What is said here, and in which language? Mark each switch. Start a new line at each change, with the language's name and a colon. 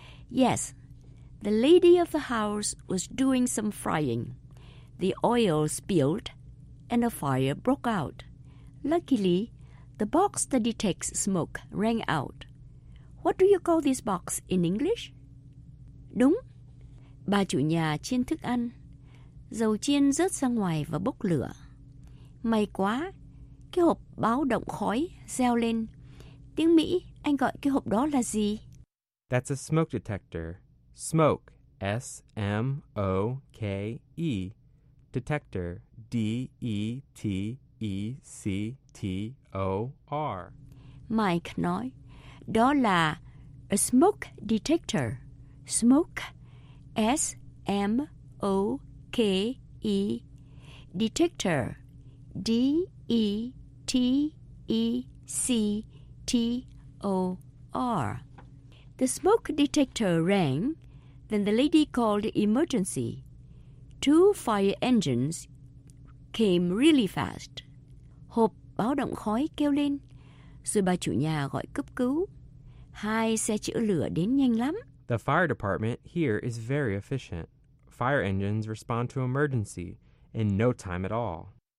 English: Yes, the lady of the house was doing some frying. The oil spilled and a fire broke out. Luckily, the box that detects smoke rang out. What do you call this box in English?
Vietnamese: Đúng. Bà chủ nhà chiên thức ăn. Dầu chiên rớt ra ngoài và bốc lửa. May quá, cái hộp báo động khói reo lên. Tiếng Mỹ, anh gọi cái hộp đó là gì?
English: That's a smoke detector. Smoke, S-M-O-K-E. Detector, D-E-T-E-C-T-O-R.
Vietnamese: Mike nói, đó là
English: a smoke detector. Smoke, S-M-O-K-E. Detector, D-E-T-E-C-T-O-R. The smoke detector rang, then the lady called emergency. Two fire engines came really fast.
Vietnamese: Hộp báo động khói kêu lên, rồi bà chủ nhà gọi cấp cứu. Hai xe chữa lửa đến nhanh lắm.
English: The fire department here is very efficient. Fire engines respond to emergency in no time at all.